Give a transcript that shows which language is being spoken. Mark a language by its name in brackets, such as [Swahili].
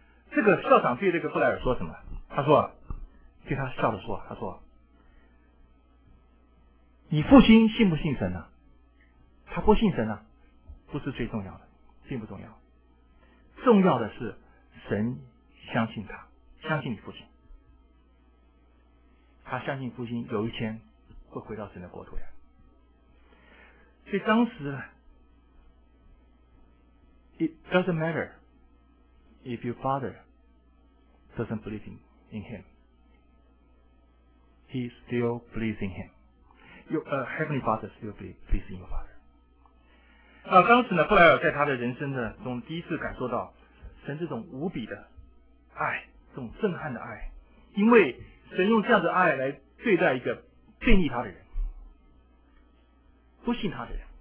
[Chinese] 这个校长对这个布莱尔说什么，他说，对他笑着说，他说，你父亲信不信神呢？他不信神呢，不是最重要的，并不重要。重要的是神相信他，相信你父亲，他相信父亲有一天会回到神的国土呀。所以当时 [English] It doesn't matter if your father doesn't believe in him, he still believes in him. Your heavenly father still believes in your father. [Chinese] 当时呢，布莱尔在他的人生的中第一次感受到神这种无比的爱，这种震撼的爱，因为神用这样的爱来对待一个背逆他的人，不信他的人。